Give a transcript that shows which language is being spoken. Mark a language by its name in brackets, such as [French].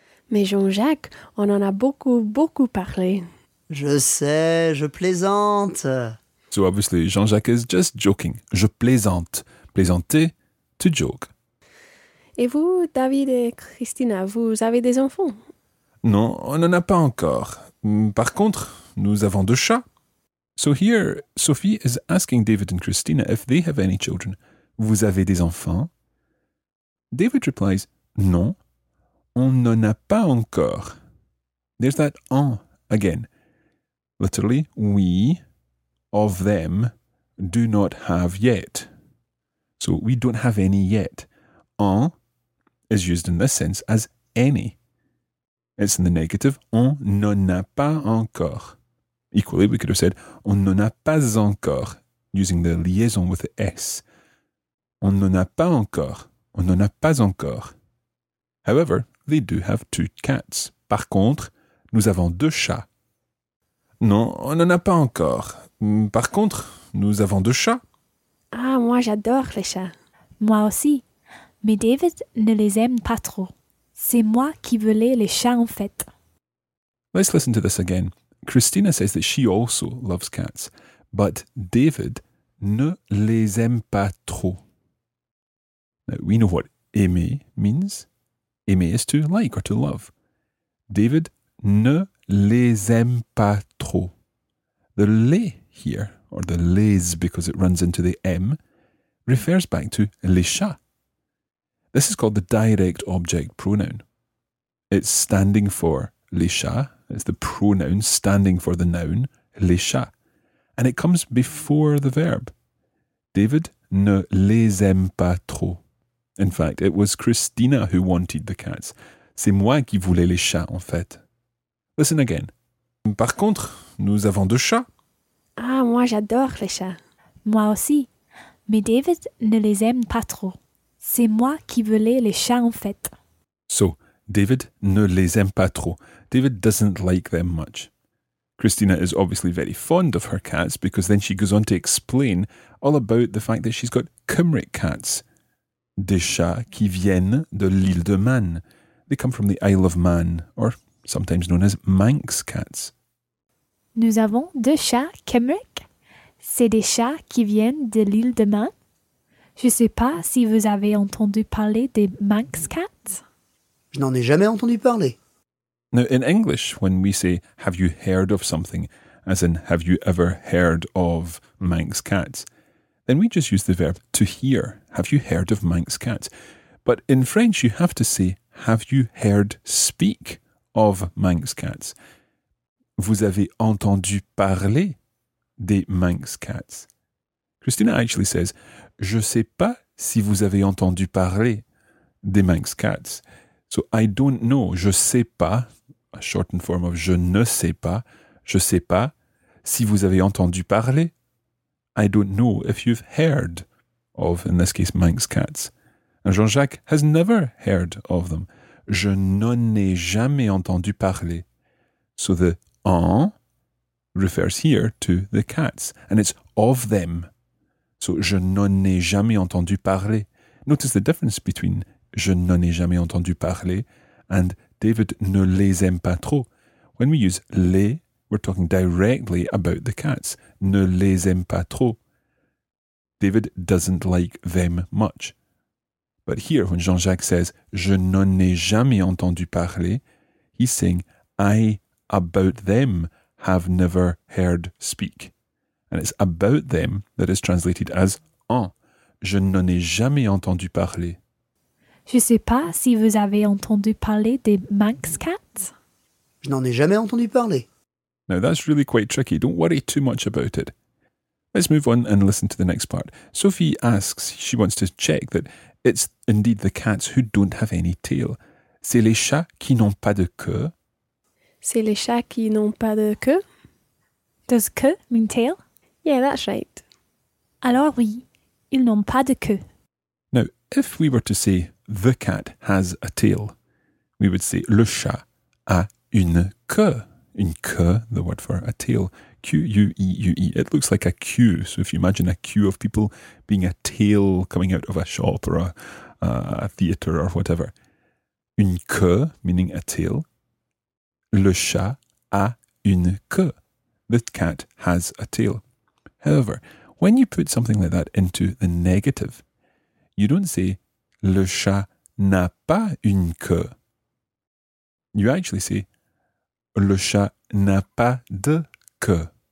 [French] Mais Jean-Jacques, on en a beaucoup, beaucoup parlé. Je sais, je plaisante. [English] So obviously, Jean-Jacques is just joking. [French] Je plaisante. Plaisanter, [English] to joke. [French] Et vous, David et Christina, vous avez des enfants? Non, on n'en a pas encore. Par contre, nous avons deux chats. [English] So here, Sophie is asking David and Christina if they have any children. [French] Vous avez des enfants? [English] David replies, [French] non, on n'en a pas encore. [English] There's that en again. Literally, we, of them, do not have yet. So, we don't have any yet. En is used in this sense as any. It's in the negative. [French] On n'en a pas encore. [English] Equally, we could have said, [French] on n'en a pas encore, [English] using the liaison with the S. [French] On n'en a pas encore. On n'en a pas encore. [English] However, they do have two cats. [French] Par contre, nous avons deux chats. Non, on n'en a pas encore. Par contre, nous avons deux chats. Ah, moi j'adore les chats. Moi aussi. Mais David ne les aime pas trop. C'est moi qui voulais les chats en fait. [English] Let's listen to this again. Christina says that she also loves cats, but David [French] ne les aime pas trop. [English] Now, we know what aimer means. Aimer is to like or to love. [French] David ne les aime pas trop. [English] The les here, or the les because it runs into the M, refers back to les chats. This is called the direct object pronoun. It's standing for les chats. It's the pronoun standing for the noun, les chats. And it comes before the verb. [French] David ne les aime pas trop. [English] In fact, it was Christina who wanted the cats. [French] C'est moi qui voulais les chats, en fait. [English] Listen again. [French] Par contre, nous avons deux chats. Ah, moi j'adore les chats. Moi aussi. Mais David ne les aime pas trop. C'est moi qui voulais les chats en fait. So, David ne les aime pas trop. [English] David doesn't like them much. Christina is obviously very fond of her cats because then she goes on to explain all about the fact that she's got Cymric cats. [French] Des chats qui viennent de l'île de Man. [English] They come from the Isle of Man, or sometimes known as Manx cats. [French] Nous avons deux chats Cymric. C'est des chats qui viennent de l'île de Man. Je ne sais pas si vous avez entendu parler des Manx cats. Je n'en ai jamais entendu parler. [English] Now, in English, when we say, have you heard of something, as in, have you ever heard of Manx cats, then we just use the verb to hear. Have you heard of Manx cats? But in French, you have to say, have you heard speak of Manx cats? [French] Vous avez entendu parler des Manx cats. [English] Christina actually says, [French] je sais pas si vous avez entendu parler des Manx cats. [English] So I don't know, [French] je sais pas, [English] a shortened form of [French] je sais pas si vous avez entendu parler. [English] I don't know if you've heard of, in this case, Manx cats. And Jean-Jacques has never heard of them. [French] Je n'en ai jamais entendu parler. [English] So the en refers here to the cats, and it's of them. [French] So, je n'en ai jamais entendu parler. [English] Notice the difference between [French] je n'en ai jamais entendu parler and David ne les aime pas trop. [English] When we use les, we're talking directly about the cats. [French] Ne les aime pas trop. [English] David doesn't like them much. But here, when Jean-Jacques says [French] je n'en ai jamais entendu parler, [English] he's saying I about them have never heard speak. And it's about them that is translated as en. [French] Je n'en ai jamais entendu parler. Je ne sais pas si vous avez entendu parler des Manx cats. Je n'en ai jamais entendu parler. [English] Now that's really quite tricky. Don't worry too much about it. Let's move on and listen to the next part. Sophie asks, she wants to check that it's indeed the cats who don't have any tail. [French] C'est les chats qui n'ont pas de queue. C'est les chats qui n'ont pas de queue. [English] Does queue mean tail? Yeah, that's right. [French] Alors oui, ils n'ont pas de queue. [English] Now, if we were to say the cat has a tail, we would say [French] le chat a une queue. Une queue, [English] the word for a tail. Q-U-E-U-E. It looks like a queue. So if you imagine a queue of people being a tail coming out of a shop or a theatre or whatever. [French] Une queue, [English] meaning a tail. [French] Le chat a une queue. [English] The cat has a tail. However, when you put something like that into the negative, you don't say [French] le chat n'a pas une queue. [English] You actually say [French] le chat n'a pas de queue.